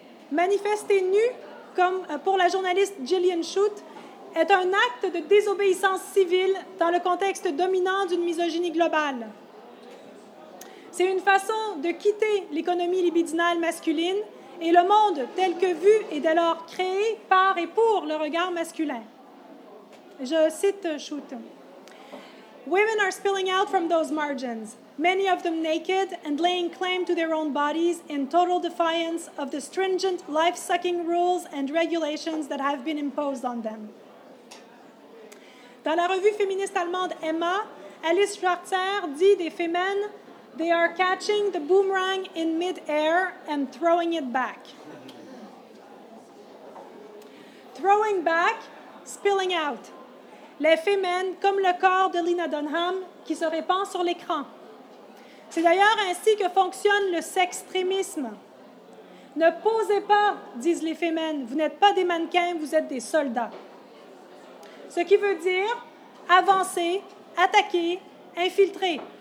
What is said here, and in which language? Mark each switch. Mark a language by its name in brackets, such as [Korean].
[French] Manifester nu, comme pour la journaliste Gillian Shoot, est un acte de désobéissance civile dans le contexte dominant d'une misogynie globale. C'est une façon de quitter l'économie libidinale masculine et le monde tel que vu est dès lors créé par et pour le regard masculin. Je cite Shoot. [English] Women are spilling out from those margins, many of them naked and laying claim to their own bodies in total defiance of the stringent life-sucking rules and regulations that have been imposed on them. [French] Dans la revue féministe allemande Emma, Alice Schwarzer dit des fémènes, [English] they are catching the boomerang in mid-air and throwing it back. Throwing back, spilling out. [French] Les fémènes, comme le corps de Lena Dunham, qui se répand sur l'écran. C'est d'ailleurs ainsi que fonctionne le sextrémisme. Ne posez pas, disent les fémènes, vous n'êtes pas des mannequins, vous êtes des soldats. Ce qui veut dire avancer, attaquer, infiltrer.